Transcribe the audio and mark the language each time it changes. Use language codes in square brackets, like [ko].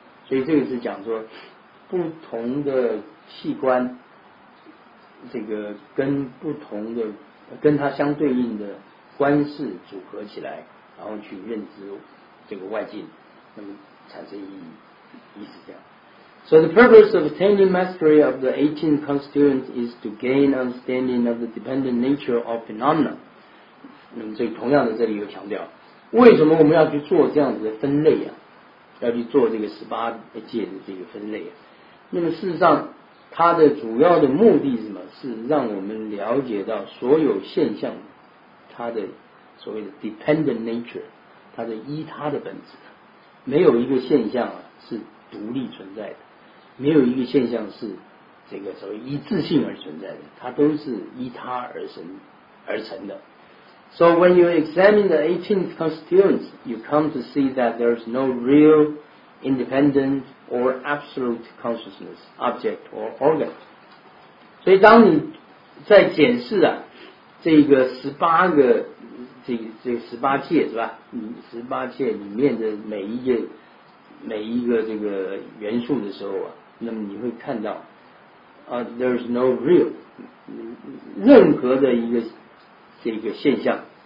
[zh] 所以这个是讲说，不同的器官。这个跟不同的跟它相对应的观视组合起来，然后去认知这个外境，那么产生意义，意思这样。 [en] So the purpose of attaining mastery of the 18 constituents is to gain understanding of the dependent nature of phenomena. [zh] 那么这同样的这里有强调，为什么我们要去做这样子的分类啊，要去做这个十八界的这个分类啊。那么事实上它的主要的目的是什么？是让我们了解到所有现象它的所谓的 dependent nature， 它的依它的本质，没有一个现象是独立存在的，没有一个现象是这个所谓一致性而存在的，它都是依它而成的。 [en] So when you examine the 18th constituents, you come to see that there is no real independentor absolute consciousness, object or organ. [zh] 所以当你在检视啊这个十八个这十八界是吧，你十八界里面的每一个这个元素的时候啊，那么你会看到 [en] there's no real, [zh] 任何的一个这个现象，